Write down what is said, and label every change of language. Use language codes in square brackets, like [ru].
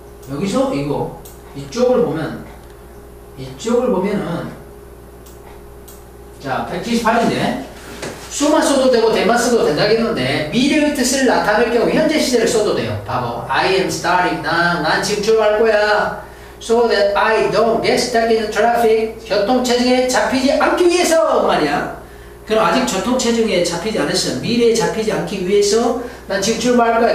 [ko] 여기서 이거, 이쪽을 보면은, 자, 178인데, 수만 써도 되고, 대만 써도 된다겠는데, 미래의 뜻을 나타낼 경우, 현재 시제를 써도 돼요. 바보. [en] I am starting. [ko] 난 지금 출발할 거야. [en] So that I don't get stuck in traffic. [ko] 교통체증에 잡히지 않기 위해서 말이야. 그럼 아직 교통체증에 잡히지 않았어. 미래에 잡히지 않기 위해서 난 지금 출발할 거야.